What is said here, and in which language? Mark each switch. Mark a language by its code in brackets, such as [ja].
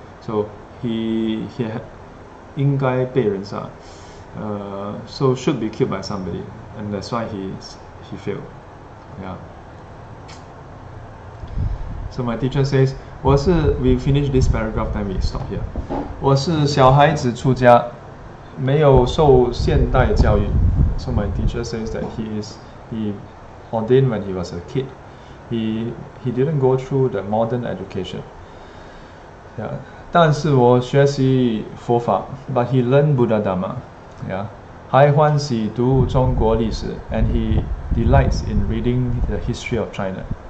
[en] So he [zh] 应该被人杀, [en] so should be killed by somebody, and that's why he failed. Yeah. So my teacher says, [zh] 我是, [en] we finish this paragraph, then we stop here. [zh] 我是小孩子出家, 没有受现代教育. [en] So my teacher says that he ordained when he was a kid. He didn't go through the modern education. Yeah. [zh] 但是我学习佛法, [en] but he learned Buddha Dhamma. Yeah. [zh] 还欢喜读中国历史, [en] and he delights in reading the history of China.